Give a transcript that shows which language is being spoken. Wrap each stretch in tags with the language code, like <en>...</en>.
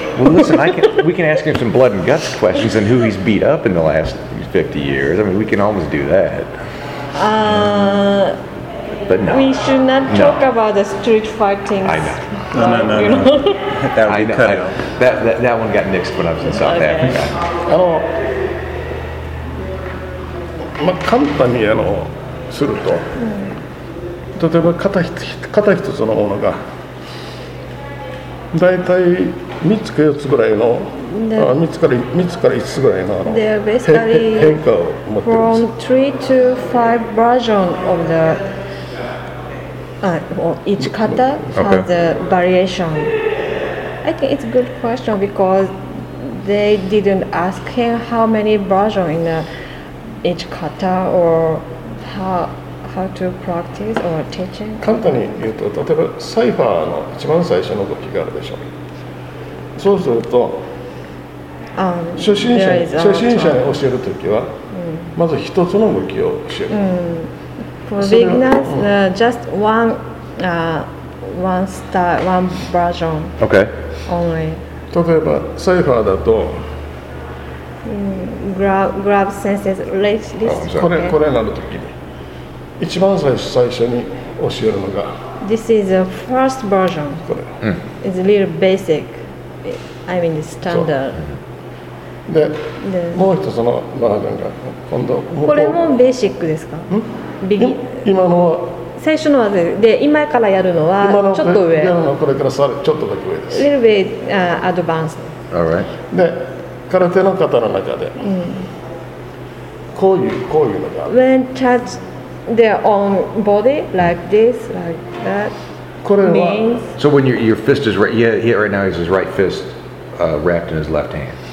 <en>Well, listen, we can ask him some blood and guts questions and who he's beat up in the last 50 years. I mean, we can almost do that. But no. We should not talk about the street fighting. I know. No. That would be cut out. That one got nixed when I was in South Africa.</en> <ja>まあ、簡単にすると、例えば肩一つのものがだいたい3つか4つぐらいの、3つから5つぐらいの変化を持っています。</ja> <en>From 3 to 5 version of the each 肩 has the variation. I think it's a good question because they didn't ask him how many version in theEach kata or how to practice or teaching?</en> <ja>簡単に言うと、例えばサイファーの一番最初の動きがあるでしょう。そうすると、初心者に教えるときは、まず一つの動きを教える。</ja> <en>For beginners, just one style, one version. Okay. Only.</en> <ja>例えばサイファーだと、</ja> <en>Grab senses, let's listen.</en> <ja>これなるときに一番最初に教えるのが</ja> <en>This is the first version.</en> <ja>これ、</ja> <en>It's a little basic. I mean, standard.</en> <ja>で、もう一つのバージョンが今度これもベーシックですか？今のは最初のはで、今からやるのはちょっと上。今のこれからさちょっとだけ上です。</ja> <en>Little bit advanced. All right.</en> <ja>で空手の方の中で、こういうのがある。</ja> <en>When touch their own body like this, like that.</en> <ja>これは、</ja> <en>So when your fist is right, yeah, right now is his right fist wrapped in his left hand.</en>